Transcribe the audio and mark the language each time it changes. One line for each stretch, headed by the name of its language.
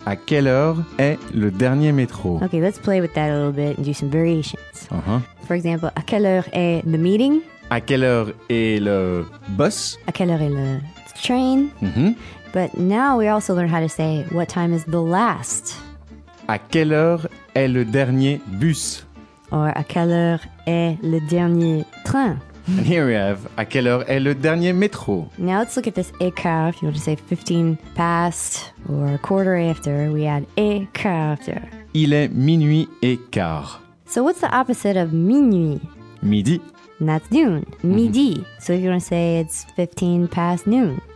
French: À quelle heure est le dernier métro?
English: Okay, let's play with that a little bit and do some variations. Uh-huh. For example,
French: à quelle heure est
English: the meeting?
French: À quelle heure est le bus? À quelle heure est le train? Mm-hmm.
English: But now we also learn how to say, what time is the last?
French: À quelle heure est le dernier bus?
English: Or
French: à quelle heure est le dernier train?
English: And here we have,
French: à quelle heure est le dernier métro?
English: Now let's look at this écart. If you want to say 15 past or a quarter after, we add écart after.
French: Il est minuit et quart.
English: So what's the opposite of minuit?
French: Midi.
English: And that's noon. Midi. Mm-hmm. So if you want to say it's 15 past noon.